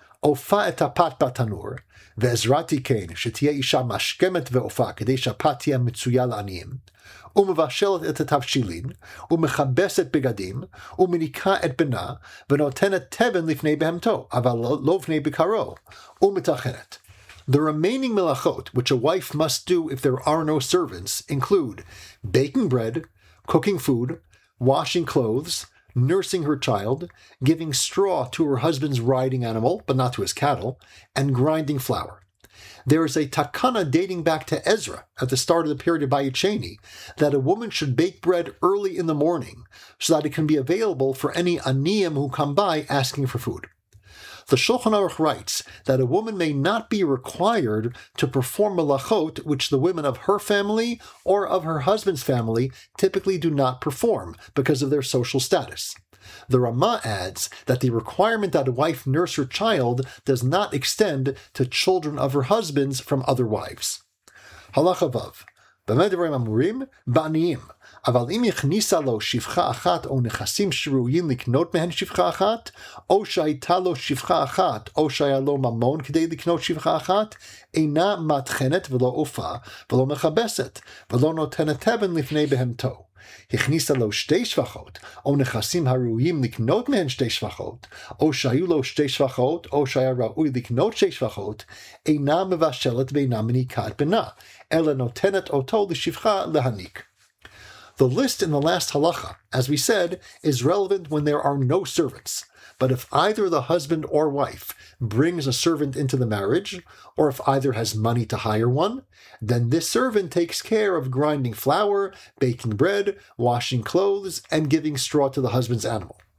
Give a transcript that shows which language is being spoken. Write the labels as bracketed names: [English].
[Hebrew] אופה את הפת בתנור, ועזרתי כן שתהיה אישה משכמת ואופה כדי שהפת תהיה מצויה לעניים, ומבשלת את התבשילין, ומכבסת בגדים, ומניקה את בנה, ונותנת תבן לפני בהמתו, אבל לא לפני בקרו, ומתחנת. [English] The remaining melachot, which a wife must do if there are no servants, include baking bread, cooking food, washing clothes, nursing her child, giving straw to her husband's riding animal, but not to his cattle, and grinding flour. There is a takana dating back to Ezra, at the start of the period of Vayicheni, that a woman should bake bread early in the morning, so that it can be available for any aniyim who come by asking for food. The Shulchan Aruch writes that a woman may not be required to perform melachot which the women of her family or of her husband's family typically do not perform because of their social status. The Ramah adds that the requirement that a wife nurse her child does not extend to children of her husband's from other wives. [Hebrew] Halacha Vav. B'medivrei Amurim Baniim. אבל אם הכניסה לו שפחה אחת או נכסים שראויים לקנות מהן שפחה אחת, או שהייתה לו שפחה אחת, או שהיה לו ממון כדי לקנות שפחה אחת, אינה מתחנת ולא אופה, ולא מכבסת, ולא נותנת תבן לפני בהמתו. הכניסה לו שתי שפחות, או נכסים הראויים לקנות מהן שתי שפחות, או שהיו לו שתי שפחות, או שהיה ראוי לקנות שתי שפחות, אינה מבשלת ואינה מניקה את בנה, אלא נותנת אותו לשפחה להניק. [English] The list in the last halacha, as we said, is relevant when there are no servants. But if either the husband or wife brings a servant into the marriage, or if either has money to hire one, then this servant takes care of grinding flour, baking bread, washing clothes, and giving straw to the husband's animal.